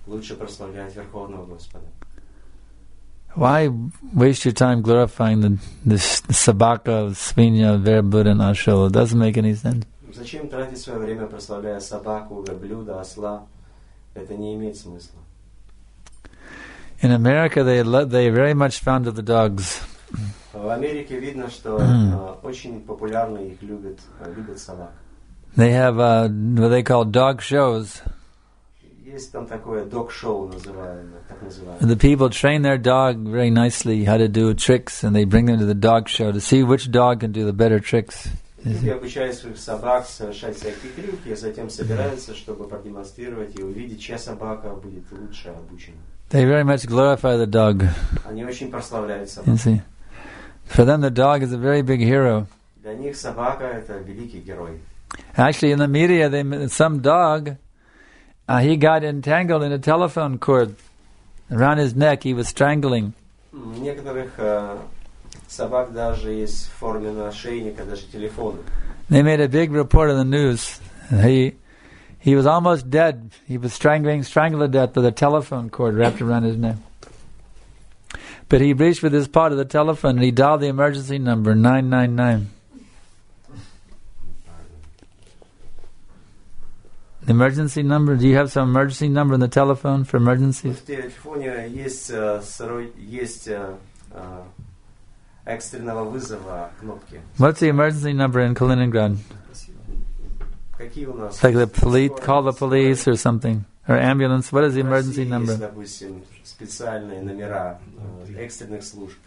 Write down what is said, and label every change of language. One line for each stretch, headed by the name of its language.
Russian: Лучше прославлять Верховного Господа.
English: Why waste your time glorifying the
Russian: собака, свинья, верблюда, ашо?
English: It doesn't make any sense.
Russian: Зачем тратить свое время, прославляя собаку, верблюда, осла? Это не имеет смысла.
English: In America, they very much fond of the dogs.
Russian: В Америке видно, что очень популярны их любят собак.
English: They have what they call dog shows.
Russian: Есть там такое
English: dog show
Russian: называемое.
English: The people train their dog very nicely how to do tricks, and they bring them to the dog show to see which dog can do the better tricks.
Russian: Люди обучают своих собак совершать всякие трюки, затем собираются, чтобы продемонстрировать и увидеть, чья собака будет лучше обучена.
English: They very much glorify the dog.
Russian: Они очень прославляют собак.
English: You see. For them, the dog is a very big hero.
Russian: Для них собака это великий герой.
English: Actually, in the media, some dog, he got entangled in a telephone cord around his neck. He was strangling.
Russian: Некоторых собак даже есть в форме ошейника, даже телефона.
English: They made a big report in the news. He was almost dead. He was strangled to death with a telephone cord wrapped around his neck. But he reached with his paw to the telephone and he dialed the emergency number 999. The emergency number? Do you have some emergency number on the telephone for emergencies?
Russian: В телефоне есть экстренного вызова кнопки.
English: What's the emergency number in Kaliningrad?
Russian: Какие у нас?
English: Like the police, call the police or something. Or ambulance. What is the emergency number?
Russian: Есть, допустим, специальные номера экстренных служб.